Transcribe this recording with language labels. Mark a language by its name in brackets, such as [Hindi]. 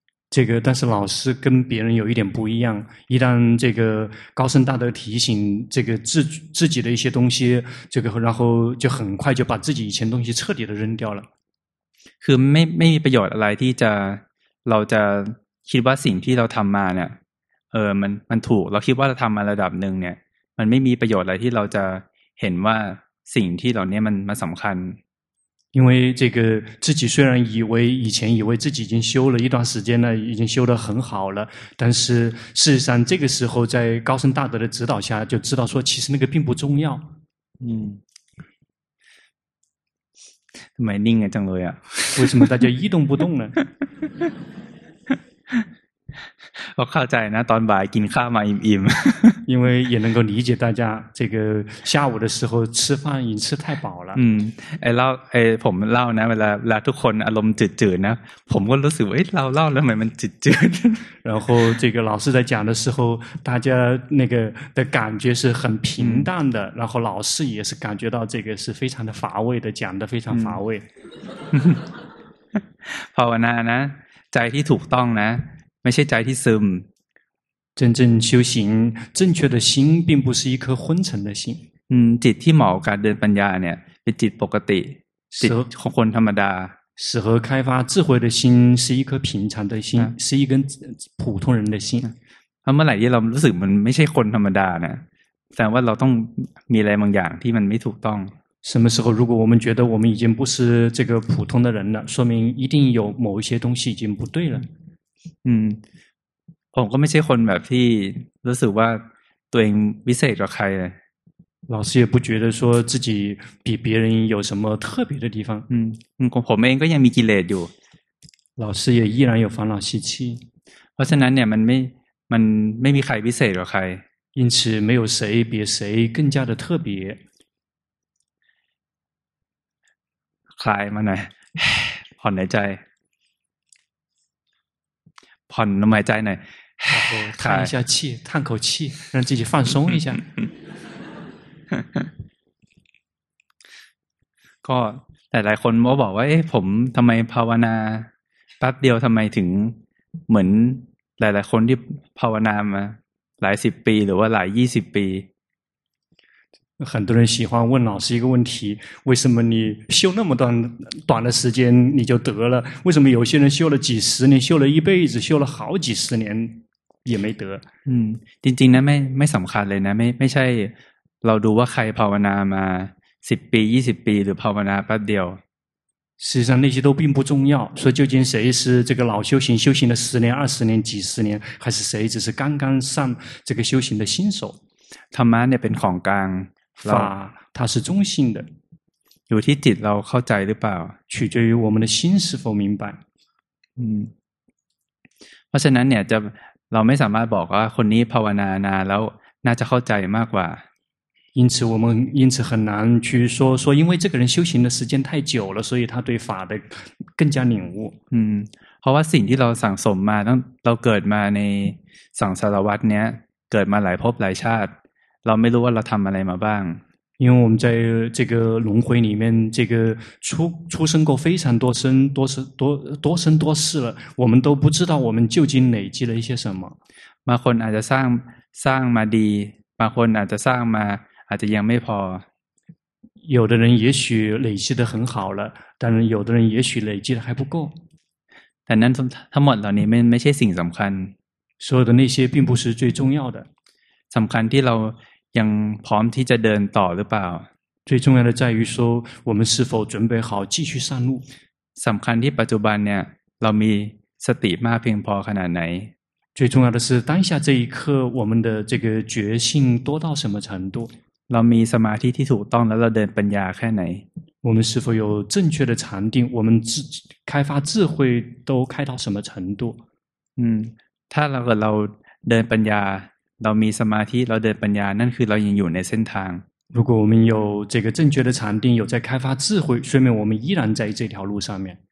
[Chinese] 这个但是老师跟别人有一点不一样，一旦这个高僧大德提醒这个自己的一些东西，这个然后就很快就把自己以前东西彻底的扔掉了。 [Thai] คือไม่มีประโยชน์อะไรที่จะเราจะคิดว่าสิ่งที่เราทำมาเนี่ยมันถูกเราคิดว่าเราทำมาระดับหนึ่งเนี่ยมันไม่มีประโยชน์อะไรที่เราจะเห็นว่าสิ่งที่เราเนี่ยมันสำคัญ [Chinese] 因为这个自己虽然以前以为自己已经修了一段时间了，已经修得很好了，但是事实上这个时候在高僧大德的指导下，就知道说其实那个并不重要。嗯，没拧啊，张罗呀？为什么大家一动不动呢？我靠在那端白金卡嘛，饮因为也能够理解大家这个下午的时候吃饭已经吃太饱了。 [Thai] ผมเล่านะเวลาทุกคนอารมณ์จืดนะผมก็รู้สึกว่าเล่าแล้วทำไมมันจืด [Chinese] 然后这个老师在讲的时候大家那个的感觉是很平淡的然后老师也是感觉到这个是非常的乏味的讲得非常乏味 [Thai] ภาวนานะใจที่ถูกต้องนะไม่ใช่ใจที่ซึม [Chinese] 真正修行正确的心并不是一颗昏沉的心 [Thai] จิตที่เหมาะการเดินปัญญาเนี่ยเป็นจิตปกติจิตของคนธรรมดา [Chinese] 适合开发智慧的心是一颗平常的心是一根普通人的心 [Thai] เมื่อไหร่ที่เรารู้สึกมันไม่ใช่คนธรรมดานะแสดงว่าเราต้องมีอะไรบางอย่างที่มันไม่ถูกต้อง [Chinese] 什么时候如果我们觉得我们已经不是这个普通的人了说明一定有某一些东西已经不对了 [Thai] ผมก็ไม่ใช่คนแบบที่รู้สึกว่าตัวเองวิเศษกว่าใครเลย [Chinese] 老师也不觉得说自己比别人有什么特别的地方 [Thai] ผมเองก็ยังมีกิเลสอยู่ [Chinese] 老师也依然有烦恼习气 [Thai] เพราะฉะนั้นเนี่ยมันไม่มีใครวิเศษกว่าใคร [Chinese] 因此没有谁比谁更加的特别 [Thai] คลายมาหน่อยผ่อนหายใจผ่อนลมหายใจหน่อย ท่าน [Chinese] 一下气叹口气让自己放松一下 [Thai] ก็แต่หลายคนมาบอกว่าเอ๊ะผมทำไมภาวนาแป๊บเดียวทำไมถึงเหมือนหลายๆคนที่ภาวนามาหลายสิบปีหรือว่าหลายยี่สิบปี [Chinese] 很多人喜欢问老师一个问题，为什么你修那么短的时间你就得了？为什么有些人修了几十年，修了一辈子，修了好几十年也没得？ [Thai] จริงๆนะไม่สำคัญเลยนะไม่ใช่เราดูว่าใครภาวนามา10ปี20ปีหรือภาวนาแป๊บเดียว [Chinese] 实际上那些都并不重要，说究竟谁是这个老修行，修行了十年、二十年、几十年，还是谁只是刚刚上这个修行的新手？ [Thai] ธรรมะเนี่ยเป็นของกลาง [Chinese] 法它是中性的 [Thai] อยู่ที่จิตเราเข้าใจหรือเปล่า [Chinese] 取决于我们的心是否明白 [Thai] เพราะฉะนั้นเนี่ยจะเราไม่สามารถบอกว่าคนนี้ภาวนานานแล้วน่าจะเข้าใจมากกว่า [Chinese] 因此很难去说因为这个人修行的时间太久了所以他对法的更加领悟 [Thai] เพราะว่าสิ่งที่เราสั่งสมมาตั้งเราเกิดมาในสังสารวัฏเนี้ยเกิดมาหลายภพหลายชาติเราไม่รู้ว่าเราทำอะไรมาบ้าง [Chinese] 因为我们在这个轮回里面这个出生过非常多生多世多多生多世了我们都不知道我们究竟累积了一些什么 [Thai] บางคนอาจจะสร้างมาดีบางคนอาจจะสร้างมาอาจจะยังไม่พ [Chinese] อ有的人也许累积得很好了但是有的人也许累积得还不够 [Thai] แต่นั้นทั้งหมดเหล่านี้ไม่ใช่สิ่งสำคัญ [Chinese] 所有的那些并不是最重要的 [Thai] สำคัญที่เรายังพร้อมที่จะเดินต่อหรือเปล่า [Chinese] 最重要的在于说我们是否准备好继续上路 [Thai] สำคัญที่ปัจจุบันเนี่ยเรามีสติมากเพียงพอขนาดไหน [Chinese] 最重要的是当下这一刻我们的这个觉性多到什么程度 [Thai] เรามีสมาธิที่ถูกต้องแล้วเราเดินปัญญาแค่ไหน [Chinese] 我们是否有正确的禅定我们开发智慧都开到什么程度 [Thai] ถ้าเราเดินปัญญาเรามีสมาธิเราเดินปัญญานั่นคือเรายังอยู่ในเส้นทาง [Chinese] 如果我们有这个正确的禅定有在开发智慧说明我们依然在这条路上面